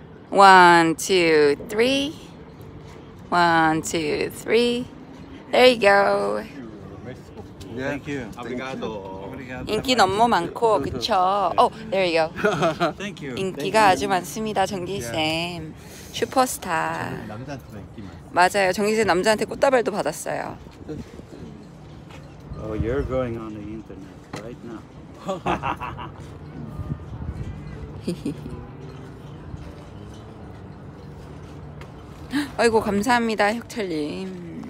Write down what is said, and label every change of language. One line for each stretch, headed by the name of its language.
English: One, two, three. One, two, three. There you go. Yeah. Thank you.
Korean: 인기 너무 많고 그쵸?
English: Oh, there you go. Thank you.
Korean: 인기가 아주 많습니다, 정기쌤. 슈퍼스타. 맞아요, 정기쌤 남자한테 꽃다발도 받았어요.
English: Oh, you're going on the internet right now.
Korean: 아이고 감사합니다, 혁철님.